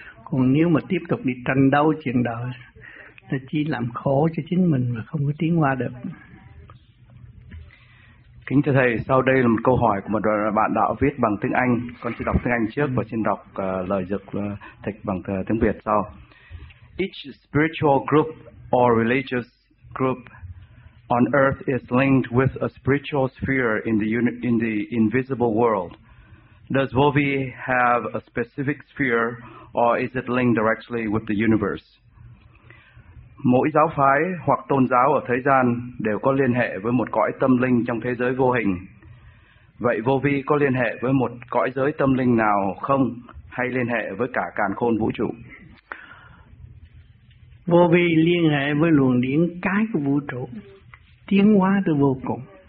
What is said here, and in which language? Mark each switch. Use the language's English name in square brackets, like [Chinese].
[Vietnamese] Còn nếu mà tiếp tục đi tranh đấu chuyện đời thì chỉ làm khổ cho chính mình mà không có tiến qua được. Kính thưa Thầy, sau đây là một câu hỏi của một bạn đạo viết bằng tiếng Anh. Con xin đọc tiếng Anh trước và xin đọc lời dịch thịch bằng tiếng Việt sau. [English] Each spiritual group or religious group on earth is linked with a spiritual sphere in the invisible world. Does Vovi have a specific sphere or is it linked directly with the universe? [Vietnamese] Mỗi giáo phái hoặc tôn giáo ở thế gian đều có liên hệ với một cõi tâm linh trong thế giới vô hình. Vậy Vovi có liên hệ với một cõi giới tâm linh nào không, hay liên hệ với cả càn khôn vũ trụ? Vovi liên hệ với luồng điển cái của vũ trụ, tiến hóa từ vô cùng.